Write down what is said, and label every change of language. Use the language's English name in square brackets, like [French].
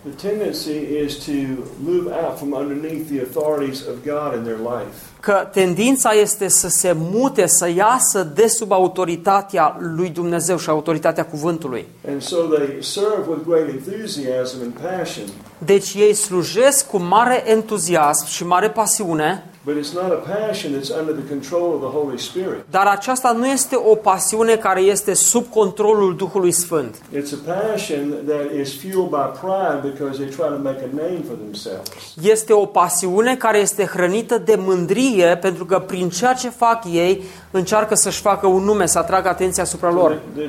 [English] The tendency is to move out from underneath the authorities of God in their life. [Romanian] că tendința este să se mute, să iasă de sub autoritatea lui Dumnezeu și autoritatea cuvântului. [English] And so they serve with great enthusiasm and passion. [Romanian] Deci ei slujesc cu mare entuziasm și mare pasiune. [English] But it's not a passion that's under the control of the Holy Spirit. [Romanian] Dar aceasta nu este o pasiune care este sub controlul Duhului Sfânt. [English] It's a passion that is fueled by pride because they're trying to make a name for themselves. [Romanian] Este o pasiune care este hrănită de mândrie pentru că prin ceea ce fac ei încearcă să-și facă un nume, să atragă atenția asupra lor.